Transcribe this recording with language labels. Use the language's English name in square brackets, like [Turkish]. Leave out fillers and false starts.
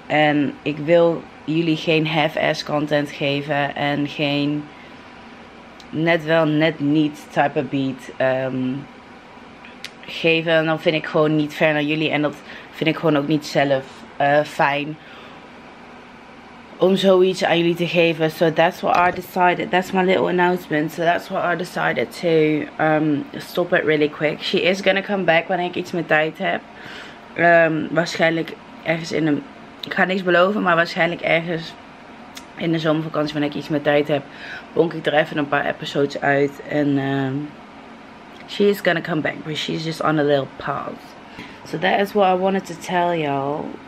[Dutch] En ik wil jullie geen half-ass content geven en geen net wel net niet type of beat geven. En dan vind ik gewoon niet ver naar jullie en dat vind ik gewoon ook niet zelf fijn om zoiets aan jullie te geven. [English] So that's what I decided. That's my little announcement. So that's what I decided to stop it really quick. She is gonna come back [Dutch] wanneer ik iets meer tijd heb. Waarschijnlijk ergens in een, ik ga niks beloven, maar waarschijnlijk ergens in de zomervakantie wanneer ik iets meer tijd heb, bonk ik er even een paar episodes uit. [English] En she is gonna come back, but she's just on a little pause. So that is what I wanted to tell y'all.